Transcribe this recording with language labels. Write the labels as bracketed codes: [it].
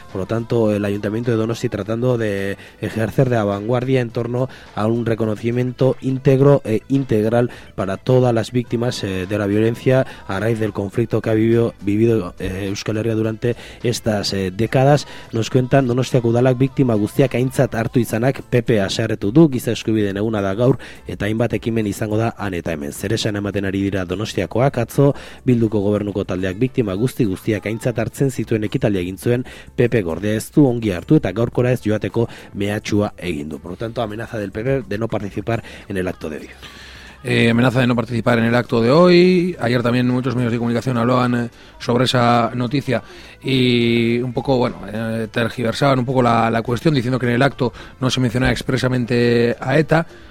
[es] Por lo tanto, el Ayuntamiento de Donosti tratando de ejercer de vanguardia en torno a un reconocimiento íntegro e integral para todas las víctimas de la violencia a raíz del conflicto que ha vivido Euskal Herria durante estas décadas. Nos cuentan: [eu] Donostia Kudalak víctima guztiak aintzat hartu izanak PP haserretu du, giza eskubideen eguna da gaur eta hainbat ekimen izango da han eta hemen. Zeresan ematen ari dira Donostiakoak. Atzo Bilduko gobernuko taldeak biktima guztiak aintzat hartzen zituen ekitaldia egin zuen, PP gordea ez du ongi hartu eta gaurkora ez joateko mehatxua egin du. [es] Por lo tanto, amenaza del PP de no participar en el acto de hoy. Amenaza de no participar en el acto de hoy. Ayer también muchos medios de comunicación hablaban sobre esa noticia y un poco, bueno, tergiversaban un poco la cuestión, diciendo que en el acto no se mencionaba expresamente a ETA.